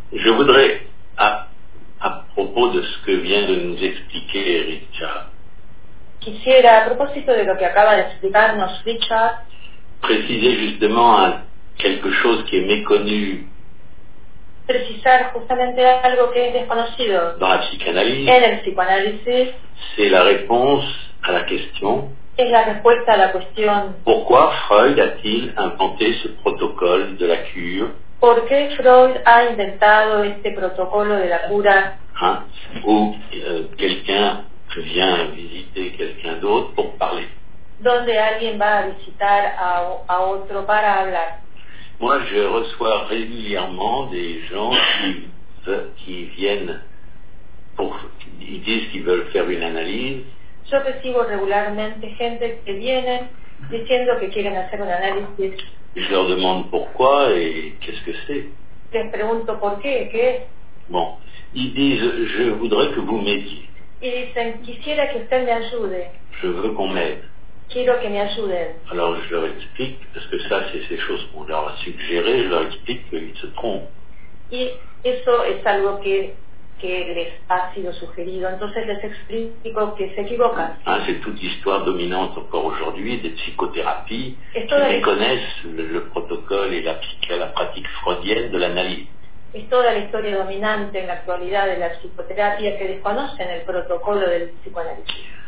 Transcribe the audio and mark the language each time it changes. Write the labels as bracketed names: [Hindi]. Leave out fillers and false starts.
[French] je voudrais, à propos de ce que vient de nous expliquer Richard, [Spanish] quisiera, [French] à propos de ce que [Spanish] acaba de explicarnos Richard, [French] préciser justement quelque chose qui est méconnu. [Spanish] Précisar justamente algo que es desconocido. [French] Dans la psychanalyse. [Spanish] En el psicoanálisis. [French] C'est la réponse à la question. [Spanish] Es la respuesta a la cuestión. [French] Pourquoi Freud a-t-il inventé ce protocole de la cure? [Spanish] ¿Por qué Freud ha inventado este protocolo de la cura? Hein? [French] Ou quelqu'un vient visiter quelqu'un d'autre pour parler. [Spanish] ¿Dónde alguien va a visitar a otro para hablar? [French] Moi, je reçois régulièrement des gens qui viennent pour ils disent qu'ils veulent faire une analyse. [Spanish] Yo recibo regularmente gente que viene diciendo que quieren hacer un análisis. [French] Je leur demande pourquoi et qu'est-ce que c'est. [Spanish] Les pregunto por qué, qué es. [French] Bon, ils disent, je voudrais que vous m'aidiez. [Spanish] Y dicen, quisiera que usted me ayude. [French] Je veux qu'on m'aide. [Spanish] Quiero que me ayuden. [French] Alors je leur explique, parce que ça c'est ces choses qu'on leur a suggéré, je leur explique qu'ils se trompent. [Spanish] Y eso es algo que les ha sido sugerido. Entonces les explico que se equivocan. [French] Ah, c'est toute l'histoire dominante encore aujourd'hui des psychothérapies qui méconnaissent le protocole et la pratique freudienne de l'analyse. [Spanish] Es toda la historia dominante en la actualidad de la psicoterapia que desconocen el protocolo del psicoanálisis.